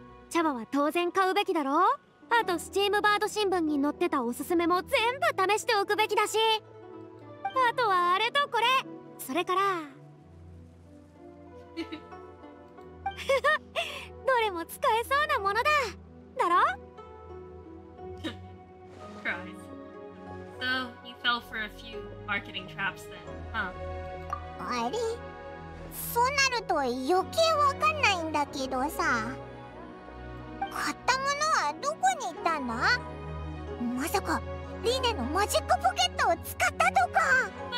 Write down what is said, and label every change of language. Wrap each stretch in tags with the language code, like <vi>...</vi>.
<ja>茶葉は当然買うべきだろ。あとスチームバード新聞に載ってたおすすめも全部試しておくべきだし、あとはあれとこれ、それからどれも使えそうなものだ、だろ？</ja> <en>Cries. So, you fell for a few marketing traps then, huh?</en> <ja>あれ？そうなると余計わかんないんだけどさ、買ったものはどこに行ったんだ？まさかリネのマジックポケットを使ったとか。</ja>